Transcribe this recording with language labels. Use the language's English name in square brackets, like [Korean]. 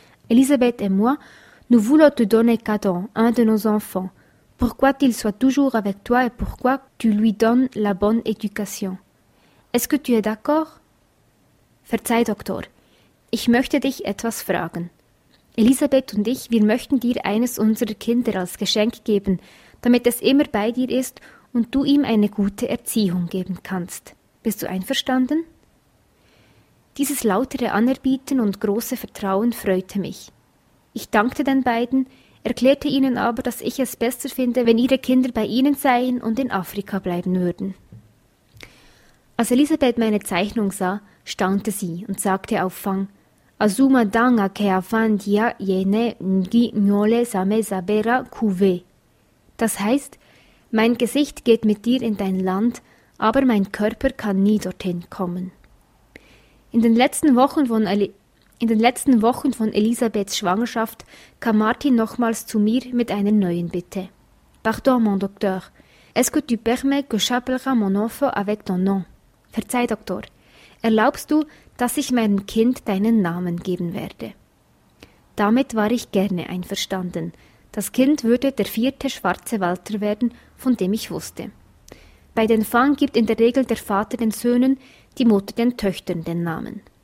[French] Elisabeth et moi, nous voulons te donner Cadon, un de nos enfants. Pourquoi qu'il soit toujours avec toi et pourquoi tu lui donnes la bonne éducation? Est-ce que tu es d'accord? [German] Verzeih, Doktor, ich möchte dich etwas fragen. Elisabeth und ich, wir möchten dir eines unserer Kinder als Geschenk geben, damit es immer bei dir ist und du ihm eine gute Erziehung geben kannst. Bist du einverstanden?» Dieses lautere Anerbieten und große Vertrauen freute mich. Ich dankte den beiden, erklärte ihnen aber, dass ich es besser finde, wenn ihre Kinder bei ihnen seien und in Afrika bleiben würden. Als Elisabeth meine Zeichnung sah, staunte sie und sagte auf Fang: [Fang] «Azuma danga ke afandia jene ngi nyole same sabera kuwe.» [German] Das heißt, mein Gesicht geht mit dir in dein Land, aber mein Körper kann nie dorthin kommen. In den letzten Wochen von Elisabeths Schwangerschaft kam Martin nochmals zu mir mit einer neuen Bitte. [French] «Pardon, mon docteur, est-ce que tu permets que j'appellera mon enfant avec ton nom?» [German] «Verzeih, Doktor, erlaubst du, dass ich meinem Kind deinen Namen geben werde?» Damit war ich gerne einverstanden. Das Kind würde der vierte schwarze Walter werden, von dem ich wusste. Bei den Fang gibt in der Regel der Vater den Söhnen, die Mutter den Töchtern den Namen.